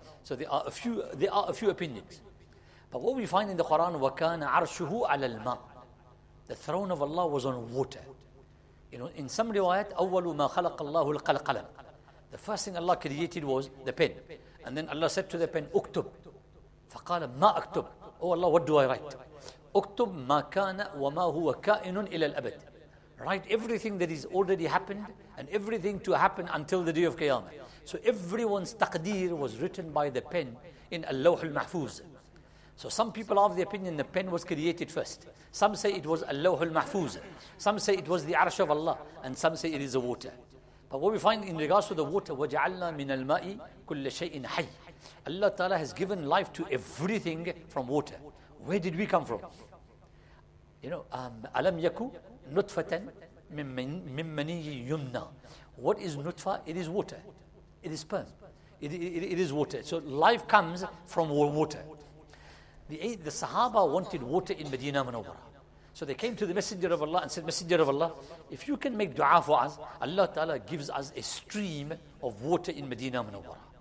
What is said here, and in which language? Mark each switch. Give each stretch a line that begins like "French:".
English: So there are a few opinions. But what we find in the Quran,
Arabic: وَكَانَ عَرْشُهُ عَلَى الْمَا.
English: The throne of Allah was on water. You know, in some riwayat,
Arabic: أَوَّلُ مَا خَلَقَ اللَّهُ الْقَلْقَلَمْ.
English: The first thing Allah created was the pen. And then Allah said to the pen,
Arabic: أُكْتُبْ. فَقَالَ مَا أَكْتُبْ. Oh Allah, what do I write? اكتب ما كان وما هو كائن الى الابد.
English: write everything that has already happened and everything to happen until the day of Qiyamah. So everyone's taqdeer was written by the pen in Al-Lawh Al-Mahfuz. So some people are of the opinion the pen was created first. Some say it was Al-Lawh Al-Mahfuz. Some say it was the Arsh of Allah. And some say it is the water. But what we find in regards to the water,
Arabic: وَجَعَلْنَا مِنَ الْمَاءِ كُلَّ شَيْءٍ حَيٍّ.
English: Allah Ta'ala has given life to everything from water. Where did we come from? You know,
Arabic: أَلَمْ يَكُ نُطْفَةً مِنْ مَنِي يُمْنَى.
English: What is nutfa? It is water. It is sperm. It is water. So life comes from water. The Sahaba wanted water in Medina Munawwara. So they came to the Messenger of Allah and said, Messenger of Allah, if you can make dua for us, Allah Ta'ala gives us a stream of water in Medina Munawwara.